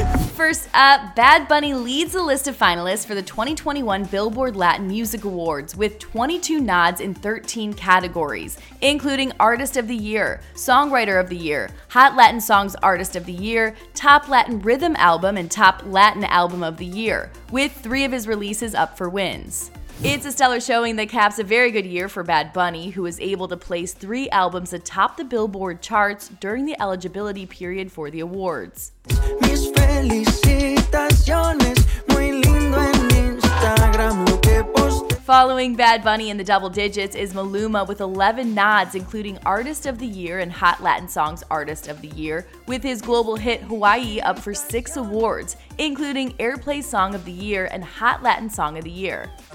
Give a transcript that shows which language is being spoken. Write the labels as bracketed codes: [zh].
[en] First up, Bad Bunny leads the list of finalists for the 2021 Billboard Latin Music Awards with 22 nods in 13 categories, including Artist of the Year, Songwriter of the Year, Hot Latin Songs Artist of the Year, Top Latin Rhythm Album, and Top Latin Album of the Year, with three of his releases up for wins. It's a stellar showing that caps a very good year for Bad Bunny, who was able to place three albums atop the Billboard charts during the eligibility period for the awards. [es] Mis felicitaciones, muy lindo en Instagram lo que posté. [en] Following Bad Bunny in the double digits is Maluma with 11 nods, including Artist of the Year and Hot Latin Songs Artist of the Year, with his global hit Hawaii up for six awards, including Airplay Song of the Year and Hot Latin Song of the Year.